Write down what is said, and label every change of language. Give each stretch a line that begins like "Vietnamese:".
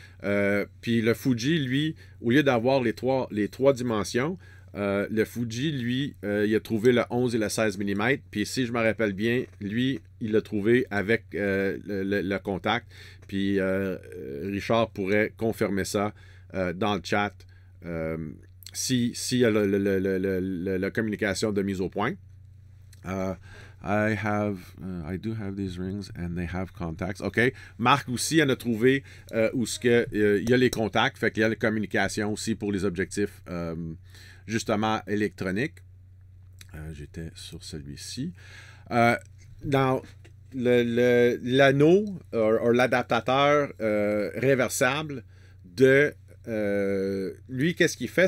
French: Puis le Fuji, lui, au lieu d'avoir les trois dimensions, le Fuji, lui, il a trouvé le 11 et le 16 mm. Puis si je me rappelle bien, lui, il l'a trouvé avec le contact. Puis Richard pourrait confirmer ça dans le chat si y a la communication de mise au point.
English: I do have these rings and they have contacts. OK.
French: Marc aussi en a trouvé où ce que il y a les contacts, fait qu'il y a la communication aussi pour les objectifs. Justement électronique. J'étais sur celui-ci. Dans l'anneau ou l'adaptateur réversible de lui, qu'est-ce qu'il fait?